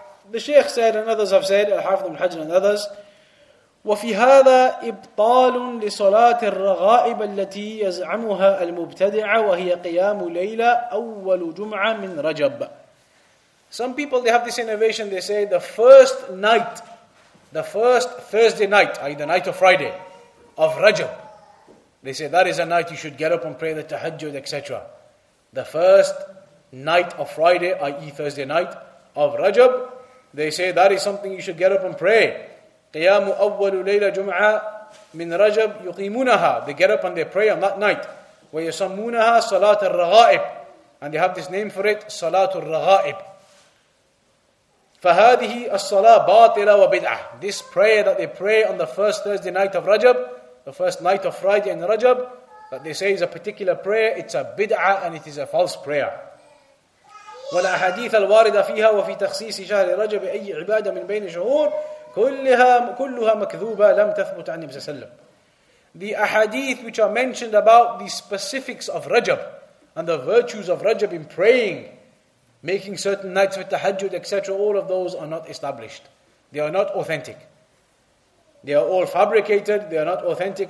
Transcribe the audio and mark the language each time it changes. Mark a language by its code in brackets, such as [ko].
[en] The Shaykh said, and others have said, [ar] Al-Hafidh al-Hajr [en] and others, [ar] وفي هذا إبطال لصلاة الرغائب التي يزعمها المبتدع وهي قيام ليلة أول جمعة من رجب. [en] Some people, they have this innovation, they say the first night, the first Thursday night, i.e. the night of Friday, of Rajab, they say that is a night you should get up and pray the tahajjud, etc. The first night of Friday, i.e. Thursday night of Rajab, they say that is something you should get up and pray. [ar] قيام أول ليلة جمعة من رجب يقيمونها. [en] They get up and they pray on that night. [ar] ويسمونها صلاة الرغائب. [en] And they have this name for it, صلاة الرغائب. [ar] فهذه الصلاة باطلة وبدعة. [en] This prayer that they pray on the first Thursday night of Rajab, the first night of Friday in Rajab, that they say is a particular prayer, it's a بدعة and it is a false prayer. [ar] والأحاديث الواردة فيها وفي تخصيص شهر رجب أي عبادة من بين شهور كلها مكذوبة لم تثبت عن النبي صلى الله عليه وسلم. [en] The ahadith which are mentioned about the specifics of Rajab and the virtues of Rajab in praying, making certain nights with tahajjud, etc., all of those are not established. They are not authentic. They are all fabricated. They are not authentic.